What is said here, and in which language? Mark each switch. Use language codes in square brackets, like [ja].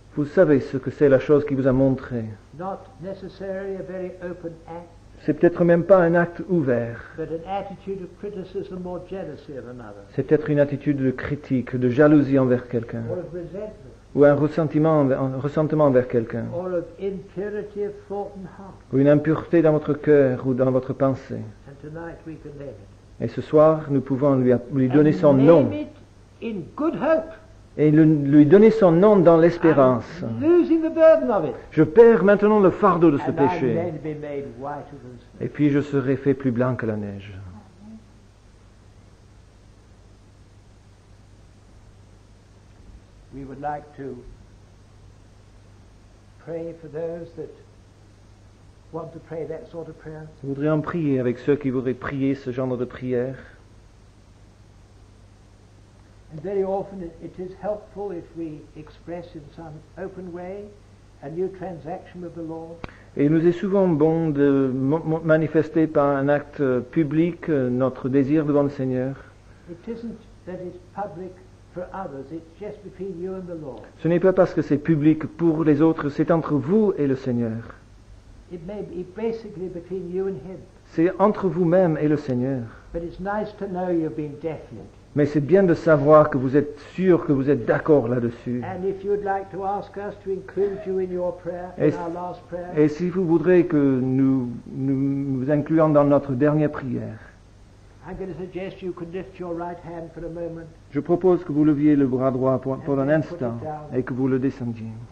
[fr] Vous savez ce que c'est la chose qu'il vous a montré. [en] Not necessarily a very open act, [fr] c'est peut-être même pas un acte ouvert. [en] But an attitude of criticism or jealousy of another. [fr] C'est peut-être une attitude de critique, de jalousie envers quelqu'un. [en] Or of resentment. [fr] Ou un ressentiment envers quelqu'un. [en] Or of impurity of thought and heart. [fr] Ou une impureté dans votre cœur ou dans votre pensée. [en] And tonight we can name it. [fr] Et ce soir, nous pouvons lui donner [en] and [fr] son [en] name [fr] nom. [en] It in good hope. [fr] Et lui donner son nom dans l'espérance. [en] I'm losing the burden of it. [fr] Je perds maintenant le fardeau de ce [en] and [fr] péché. [en] I'll then be made whiter than snow. [fr] Et puis je serai fait plus blanc que la neige. [en] We would like to pray for those that want to pray that sort of prayer. [fr] Nous voudrions prier avec ceux qui voudraient prier ce genre de prière. [en] And very often it is helpful if we express in some open way a new transaction with the Lord. [fr] Et il nous est souvent bon de manifester par un acte public notre désir devant le Seigneur. [en] It isn't that it's public for others, it's just between you and the Lord. [fr] Ce n'est pas parce que c'est public pour les autres, c'est entre vous et le Seigneur. [en] It may be basically between you and him. [fr] C'est entre vous-même et le Seigneur. [en] But it's nice to know you've been definite. [fr] Mais c'est bien de savoir que vous êtes sûr, que vous êtes d'accord là-dessus. [en] And if you'd like to ask us to include you in your prayer, in our last prayer. [fr] Et si vous voudrez que nous vous incluions dans notre dernière prière. [en] I'm going to suggest you could lift your right hand for a moment. [fr] Je propose que vous leviez le bras droit pour un instant et que vous le descendiez.